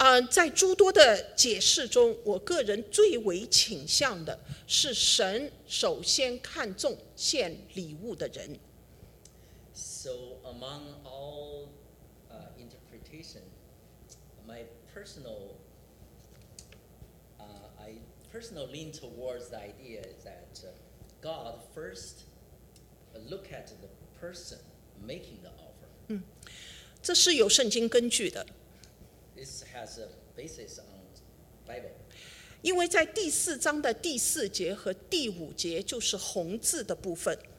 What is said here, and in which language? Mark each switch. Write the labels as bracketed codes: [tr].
[zh] 在诸多的解释中，我个人最为倾向的是神首先看重献礼物的人。 [en] So among all interpretation, my personal I personally lean towards the idea that God first look at the person making the offer. [zh] 这是有圣经根据的。 [en] This has a basis on Bible. [zh] 因为在第四章的第四节和第五节就是红字的部分。